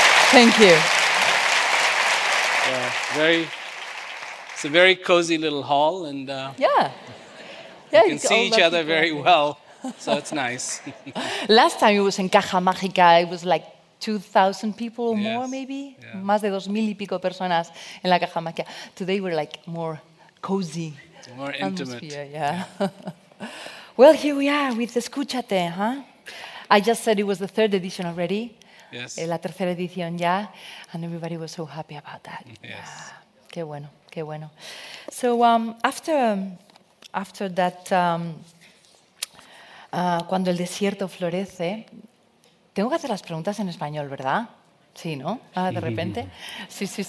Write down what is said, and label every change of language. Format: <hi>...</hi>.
<en>Thank you. It's a very cozy little hall, and you can see each other very well, so it's nice. Last time it was in Caja Mágica, it was like 2,000 people or more, maybe? Yeah.</en> <es>Más de 2,000 y pico personas en la Caja Mágica.</es> <en>Today we're like more cozy. More intimate. Yeah. Well, here we are with Escúchate, huh? I just said it was the third edition already. Yes.</en> <es>La tercera edición ya,</es> <en>and everybody was so happy about that. Yes. Yeah.</en> <es>Qué bueno, qué bueno.</es> <en>So after that,</en> <es>cuando el desierto florece, tengo que hacer las preguntas en español, ¿verdad? Sí, ¿no? Ah, de repente. Sí.</es>